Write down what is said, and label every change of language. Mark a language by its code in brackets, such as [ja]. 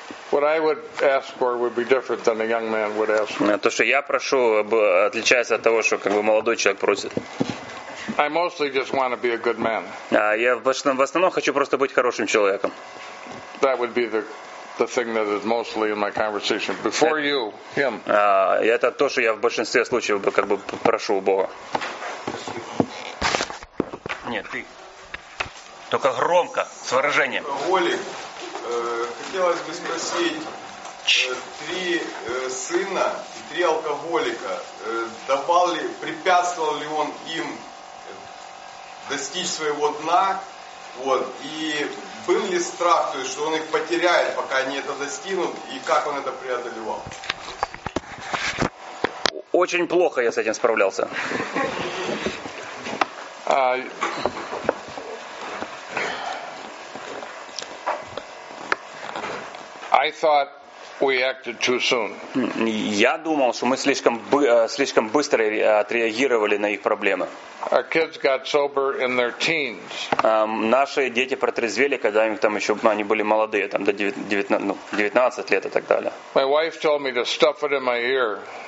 [en] What I would ask for would be different than a young man would ask for. [ru] То, что я прошу, отличается от того, что как бы молодой человек просит. [en] I mostly just want to be a good man. [ru] Я в основном хочу просто быть хорошим человеком. [en] That would be the thing that is mostly in my conversation before you, him. [ru] Это то, что я в большинстве случаев как бы прошу у Бога. Нет, ты. Только громко, с выражением. Олег, хотелось бы спросить, три сына и три алкоголика, препятствовал ли он им достичь своего дна? Вот, и был ли страх, то есть, что он их потеряет, пока они это достигнут, и как он это преодолевал? Очень плохо я с этим справлялся. [en] I thought we acted too soon. [ru] Я думал, что мы слишком быстро отреагировали на их проблемы. [en] Our kids got sober in their teens. [ru] Наши дети протрезвели, когда им там еще они были молодые, там до 19 лет и так далее. [en] My wife told me to stuff it in my ear.